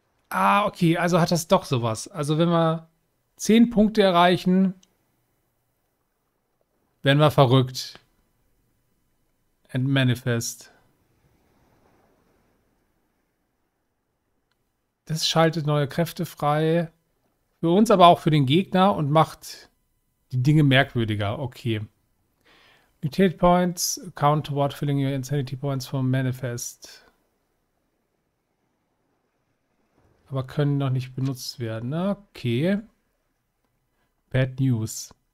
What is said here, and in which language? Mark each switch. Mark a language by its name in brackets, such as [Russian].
[German] Ah, okay, also hat das doch sowas. Also wenn wir 10 Punkte erreichen, werden wir verrückt. [English] And Manifest. [German] Das schaltet neue Kräfte frei. Für uns, aber auch für den Gegner und macht die Dinge merkwürdiger. Okay. [English] Utility Points, count toward filling your Insanity Points from Manifest. [German] Aber können noch nicht benutzt werden. Okay. [English] Bad News.